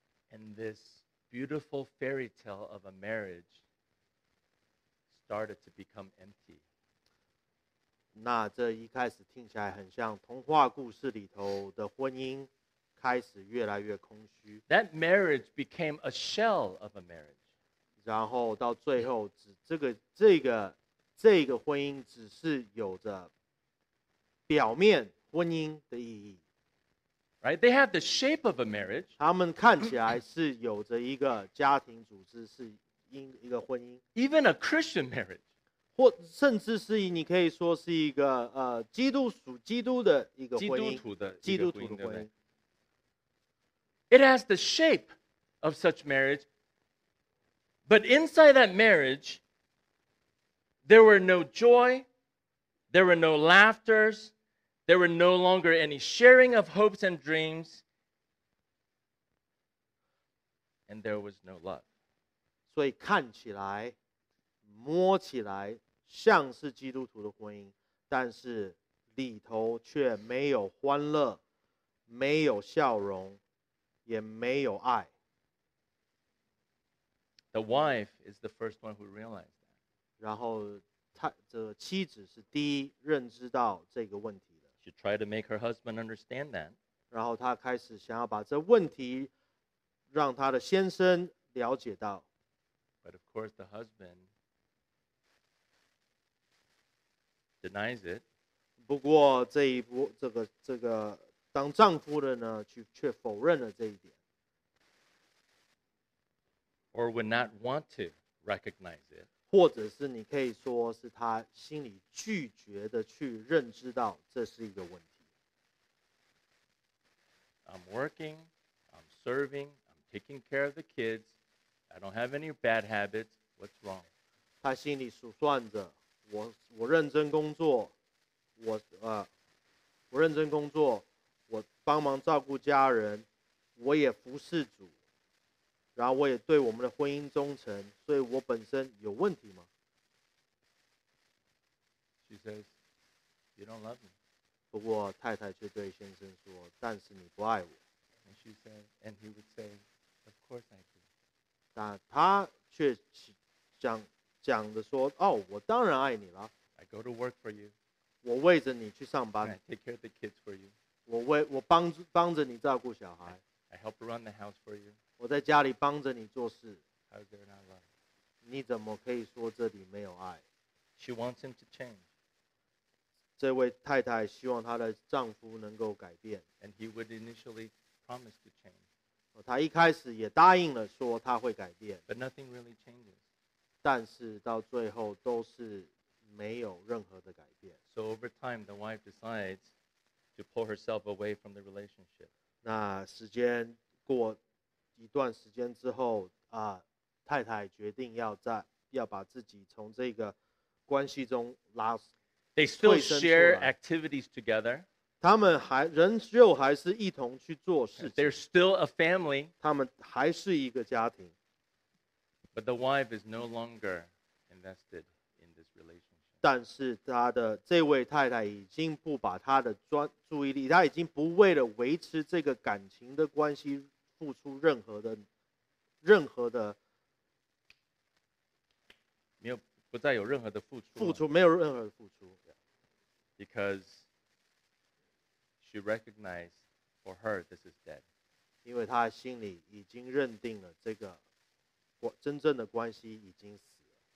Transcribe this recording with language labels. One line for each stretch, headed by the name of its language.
English: And this beautiful fairy tale of a marriage started to become empty.
Chinese: 那这一开始听起来很像童话故事里头的婚姻开始越来越空虚。
English: That marriage became a shell of a marriage.
Chinese: 然后到最后这个婚姻只是有着表面婚姻的意义。
English: Right, they have the shape of a marriage.
Chinese: 他们看起来是有着一个家庭组织，是一个婚姻。
English: Even a Christian marriage,
Chinese: 或甚至是你可以说是一个基督属基督的一个婚姻，基督徒的婚姻。
English: It has the shape of such marriage, but inside that marriage, there were no joy, there were no laughters. There were no longer any sharing of hopes and dreams, and there was no love.
Chinese: 所以看起来、摸起来像是基督徒的婚姻，但是里头却没有欢乐，没有笑容，也没有爱。
English: The wife is the first one who realized that.
Chinese: 然后她的妻子是第一认知到这个问题。
English: She tried to make her husband understand that.
Chinese: 然后她开始想要把这问题让她的先生了解到。
English: But of course, the husband denies it.
Chinese: 不过这一步，这个当丈夫的呢，却否认了这一点。
English: Or would not want to recognize it.
Chinese: 或者是你可以说是他心里拒绝的去认知到这是一个问题。
English: I'm working, I'm serving, I'm taking care of the kids. I don't have any bad habits. What's wrong?
Chinese: 他心里数算着我认真工作，我认真工作，我帮忙照顾家人，我也服侍主。然后我也对我们的婚姻忠诚，所以我本身有问题吗
English: ？She says, "You don't love me."
Chinese: 不过太太却对先生说：“但是你不爱我。
English: ”And she said, and he would say, "Of course I do."
Chinese: 但他却讲的说：“哦，我当然爱你了。
English: ”I go to work for you.
Chinese: 我为着你去上班。
English: And、I take care of the kids for you.
Chinese: 我帮着你照顾小孩。
English: I help run the house for you.
Chinese: 我在家里帮着你做事。
English: How is there not love?
Chinese: 你怎么可以说这里没有爱
English: ？She wants him to change.
Chinese: 这位太太希望她的丈夫能够改变。
English: And he would initially promise to change.
Chinese: 她一开始也答应了说她会改变。
English: But nothing really changes.
Chinese: 但是到最后都是没有任何的改变。
English: So over time, the wife decides to pull herself away from the relationship.
Chinese: 那时间过。一段时间之后、太太决定 要把自己从这个关系中拉退身出来。
English: They still share activities together.
Chinese: 他们仍旧还是一同去做事情。
English: They're still a family.
Chinese: 他们还是一个家庭。
English: But the wife is no longer invested in this relationship.
Chinese: 但是她的这位太太已经不把她的专注意力，她已经不为了维持这个感情的关系付出任何的没有不再有任何的付出。付出没有任何的付出。
English: Because she recognized for her this is dead.
Chinese: 因为她心里已经认定了这个真正的关系已经死了。